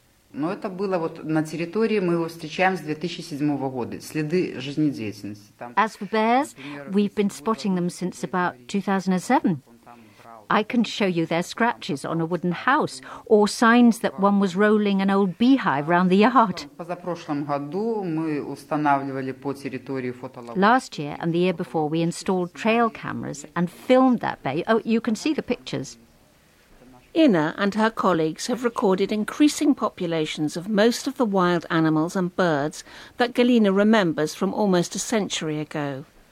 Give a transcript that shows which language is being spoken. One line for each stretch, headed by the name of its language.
Russian: Но это было вот на территории мы его встречаем с 2007 года. Следы жизнедеятельности там.
English: As for bears, we've been spotting them since about 2007. I can show you their scratches on a wooden house or signs that one was rolling an old beehive around the yard.
Russian: Позапрошлом году мы устанавливали по территории фотоловушки.
English: Last year and the year before we installed trail cameras and filmed that bay. Oh, you can see the pictures. Inna and her colleagues have recorded increasing populations of most of the wild animals and birds that Galina remembers from almost a century ago.